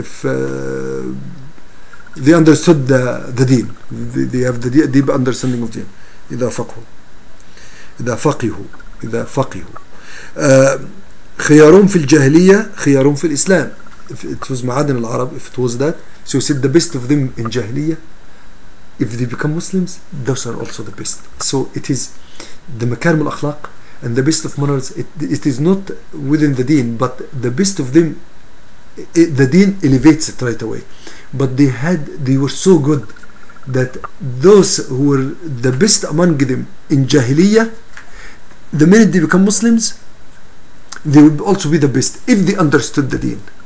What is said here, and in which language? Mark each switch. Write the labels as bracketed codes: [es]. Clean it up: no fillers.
[en] If they understood the deen, they have the deep understanding of deen. [ar] إذا فقه. إذا فقه. إذا فقه. خيارهم في الجاهلية خيارهم في الإسلام. [en] If it was [ar] معادن العرب, [en] if it was that, so you said the best of them in جاهلية. If they become Muslims, those are also the best. So it is the makarim al-akhlaq and the best of manners. It is not within the deen, but the best of them, the deen elevates it right away. But they were so good that those who were the best among them in jahiliyyah, the minute they become Muslims, they would also be the best if they understood the deen.